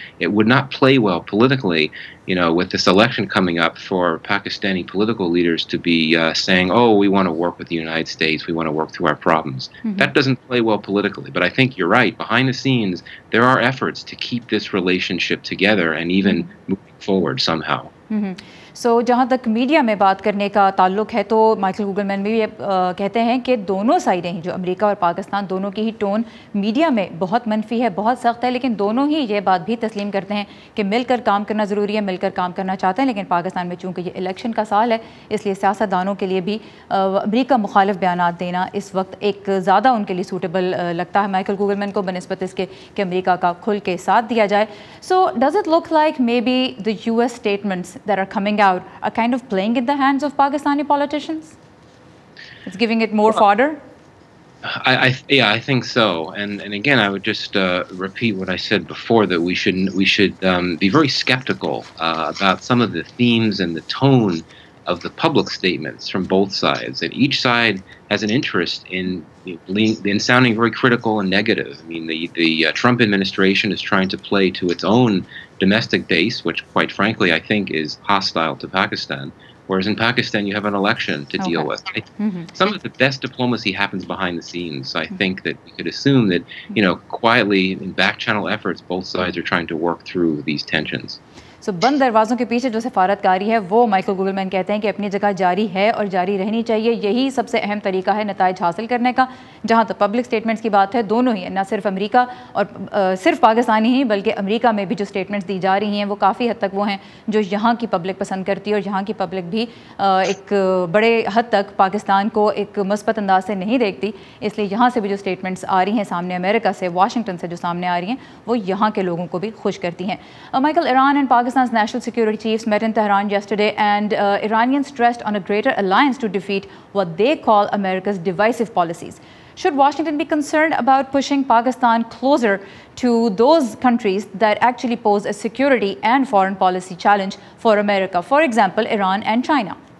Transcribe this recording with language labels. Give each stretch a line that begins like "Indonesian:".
English: It would not play well politically, you know, with this election coming up, for Pakistani political leaders to be saying, oh, we want to work with the United States, we want to work through our problems. Mm-hmm. That doesn't play well politically. But I think you're right. Behind the scenes, there are efforts to keep this relationship together and even moving forward somehow.
Urdu: سو جہاں تک media میں بات کرنے کا تعلق ہے تو Michael کوگلمن بھی یہ کہتے ہیں کہ دونوں سائڈیں ہیں، جو امریکہ اور پاکستان دونوں کی ہی ٹون میڈیا میں بہت منفی ہے، بہت سخت ہے، لیکن دونوں ہی یہ بات بھی تسلیم کرتے ہیں کہ مل کر کام کرنا ضروری ہے، مل کر کام کرنا چاہتے ہیں، لیکن پاکستان میں چونکہ یہ الیکشن کا سال ہے اس لیے سیاست دانوں کے لیے بھی امریکہ مخالف بیانات دینا اس وقت ایک زیادہ ان کے لیے سوٹیبل لگتا ہے مائیکل کوگلمن کو، بہ نسبت اس کے کہ امریکہ کا کھل کے ساتھ دیا جائے۔
English: So does it look like maybe the U S statements that are coming out a kind of playing in the hands of Pakistani politicians? It's giving it more fodder? I think so. And again, I would just repeat what I said before, that we should be very skeptical about some of the themes and the tone of the public statements from both sides. And each side has an interest in sounding very critical and negative. I mean, the Trump administration is trying to play to its own domestic base, which quite frankly I think is hostile to Pakistan, whereas in Pakistan you have an election to deal with. Some of the best diplomacy happens behind the scenes. So I think that we could assume that, you know, quietly in back channel efforts, both sides are trying to work through these tensions.
Urdu: سو بند دروازوں کے پیچھے جو سفارتکاری ہے وہ Michael گوگلمن کہتے ہیں کہ اپنی جگہ جاری ہے اور جاری رہنی چاہیے، یہی سب سے اہم طریقہ ہے نتائج حاصل کرنے کا۔ جہاں تک پبلک سٹیٹمنٹس کی بات ہے، دونوں ہی نہ صرف امریکہ اور صرف پاکستانی ہی بلکہ امریکہ میں بھی جو سٹیٹمنٹس دی جا رہی ہیں وہ کافی حد تک وہ ہیں جو یہاں کی پبلک پسند کرتی ہے، اور یہاں کی پبلک بھی ایک بڑے حد تک پاکستان کو ایک مثبت انداز سے نہیں دیکھتی، اس لیے یہاں سے بھی جو سٹیٹمنٹس آ رہی ہیں سامنے، امریکہ سے، واشنگٹن سے جو سامنے آ رہی ہیں، وہ یہاں کے لوگوں کو بھی خوش کرتی ہیں۔ Michael, Iran and
English: Pakistan's national security chiefs met in Tehran yesterday, and Iranians stressed on a greater alliance to defeat what they call America's divisive policies. Should Washington be concerned about pushing Pakistan closer to those countries that actually pose a security and foreign policy challenge for America, for example, Iran and China?